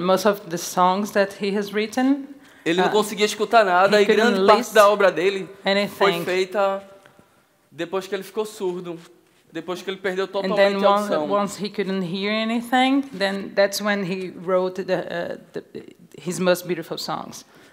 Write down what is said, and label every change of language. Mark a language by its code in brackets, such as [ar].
[en] Most of the songs that he has written. [pt] Ele não conseguia escutar nada e grande parte da obra dele foi feita depois que ele ficou surdo. Depois que ele perdeu totalmente a audição. [en] And then once he couldn't hear anything, then that's when he wrote his most beautiful songs.